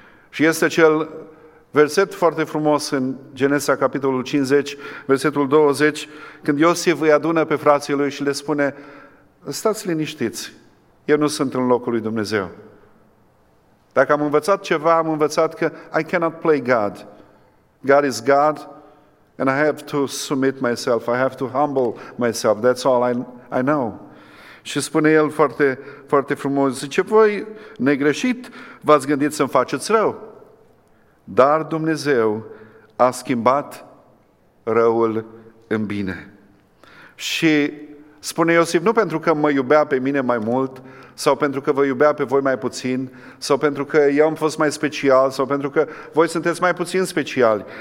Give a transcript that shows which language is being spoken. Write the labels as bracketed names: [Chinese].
[Romanian] Și este acel verset foarte frumos în Genesa, capitolul 50, versetul 20, când Iosif îi adună pe frații lui și le spune, stați liniștiți, eu nu sunt în locul lui Dumnezeu. Dacă am învățat ceva, am învățat că [English] I cannot play God. God is God and I have to submit myself, I have to humble myself, that's all I know. [Romanian] Și spune el foarte, foarte frumos, zice, voi, negreșit, v-ați gândit să-mi faceți rău. Dar Dumnezeu a schimbat răul în bine. Și spune Iosif, nu pentru că mă iubea pe mine mai mult, sau pentru că vă iubea pe voi mai puțin, sau pentru că eu am fost mai special, sau pentru că voi sunteți mai puțin speciali.